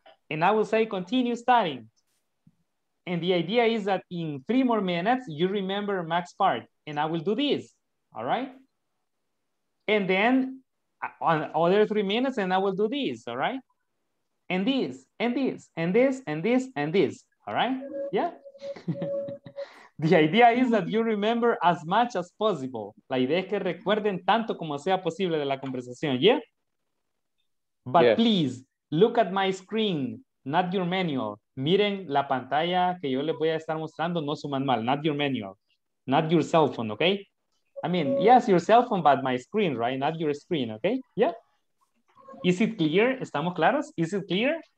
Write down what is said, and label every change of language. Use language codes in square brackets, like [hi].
[en] And I will say, continue studying. And the idea is that in 3 more minutes, you remember Max's part. And I will do this. All right? And then on other 3 minutes, and I will do this. All right? And this, and this, and this, and this, and this. All right? Yeah? The idea is that you remember as much as possible. [es] La idea es que recuerden tanto como sea posible de la conversación. [en] Yeah? But yes. Please, look at my screen, not your manual. [es] Miren la pantalla que yo les voy a estar mostrando, no su manual, [en] not your manual. Not your cell phone, okay? I mean, yes, your cell phone, but my screen, right? Not your screen, okay? Yeah? Is it clear? [es] ¿Estamos claros? [en] Is it clear?